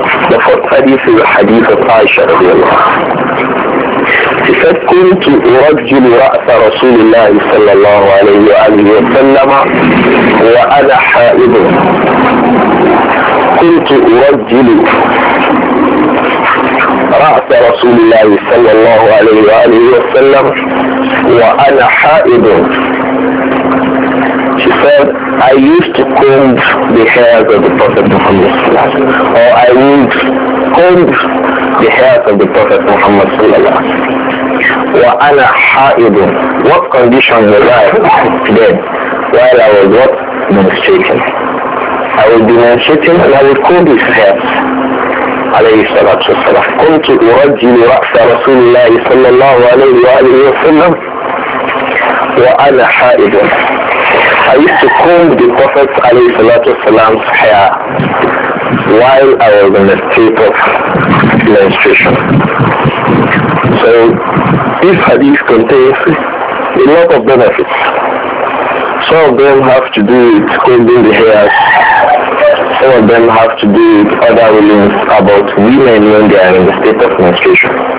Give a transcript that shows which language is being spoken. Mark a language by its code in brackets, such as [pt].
[en] The fourth hadith is a hadith of Aisha radiallahu anha. He said, [ar] كنت أرجل رأس رسول الله صلى الله عليه وآله وسلم وأنا حائض. كنت أرجل رأس رسول الله صلى الله عليه وآله وسلم وأنا حائض. [en] He said, I used to comb the hairs of the Prophet Muhammad صلى الله عليه وسلم. Or I would comb the hairs of the Prophet Muhammad صلى الله عليه وسلم. [ar] وَأَنَا حَائِدٌ. [en] What condition was I then while I was what? Menstruating. I was menstruating and I would comb his hair. [ar] عليه الصلاة والسلام. كنت أرجل رأس رسول الله صلى الله عليه وآله وسلم وأنا حائض. [en] I used to comb the Prophet alayhi salatu wasalam's hair while I was in a state of menstruation. So this hadith contains a lot of benefits. Some of them have to do with combing the hairs. Some of them have to do with other rulings about women when they are in the state of menstruation.